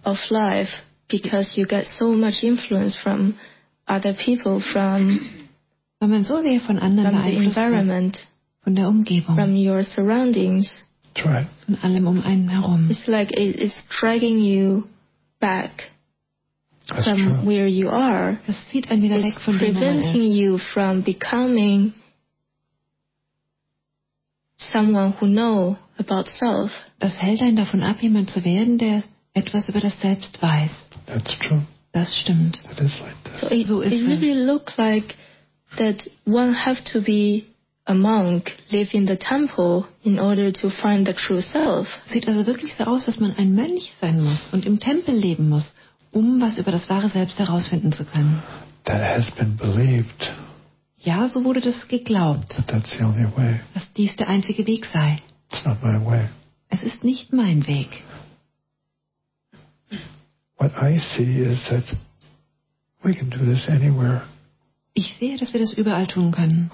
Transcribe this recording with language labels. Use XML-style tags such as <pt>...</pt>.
<en>Of life, because you get so much influence from other people, from,</en> <de>wenn man so sehr von anderen beeinflusst wird, von der Umgebung,</de> <en>from your surroundings,</en> <de>von allem um einen herum.</de> <en>It's like it's dragging you back. That's from true. Where you are,</en> <de>das zieht einen wieder weg von dem,</de> <en>preventing you from becoming someone who know about self.</en> <de>Das hält einen davon ab, jemand zu werden, der etwas über das Selbst weiß.</de> <en>That's true.</en> <de>Das stimmt.</de> <en>It is like that. So it really look like that one have to be a monk, live in the temple in order to find the true self.</en> <de>Sieht also wirklich so aus, dass man ein Mönch sein muss und im Tempel leben muss, um was über das wahre Selbst herausfinden zu können.</de> <en>That has been believed.</en> <de>Ja, so wurde das geglaubt.</de> <en>But that's the only way.</en> <de>Dass dies der einzige Weg sei.</de> <en>It's not my way.</en> <de>Es ist nicht mein Weg.</de> <en>What I see is that we can do this anywhere.</en> <de>Ich sehe, dass wir das überall tun können.</de>